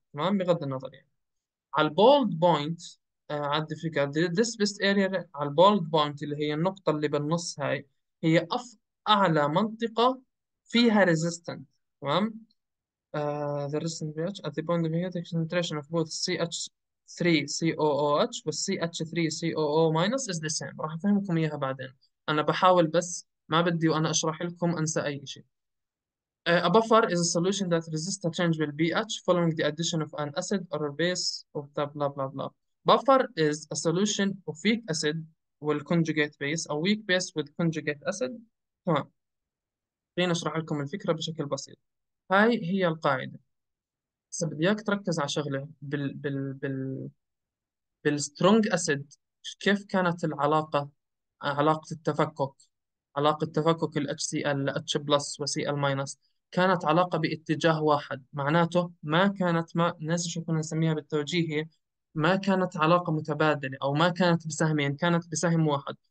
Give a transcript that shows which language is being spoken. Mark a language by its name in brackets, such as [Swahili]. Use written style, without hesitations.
[Arabic] تمام؟ بغض النظر يعني على البولد بوينت، على الديفيكال ديسبيس اريا، على البولد بوينت اللي هي النقطة اللي بالنص هاي، هي أعلى منطقة فيها ريزيستنت. [English] تمام؟ the resistant pH at the point of the concentration of both CH3COOH والCH3COO- is the same. [Arabic] راح أفهمكم إياها بعدين، أنا بحاول بس ما بدي وأنا أشرح لكم أنسى أي شيء. [English] A buffer is a solution that resists a change with pH following the addition of an acid or a base of the blah blah blah. Buffer is a solution of weak acid with conjugate base, a weak base with conjugate acid. [Arabic] تمام. خليني اشرح لكم الفكرة بشكل بسيط. هاي هي القاعدة. بس بدي اياك تركز على شغلة بال strong acid، كيف كانت العلاقة، علاقة التفكك، علاقة تفكك ال HCl ل H بلس و Cl ماينس، كانت علاقة باتجاه واحد، معناته ما كانت، ما الناس شو كنا نسميها بالتوجيه، ما كانت علاقة متبادلة، أو ما كانت بسهمين، كانت بسهم واحد.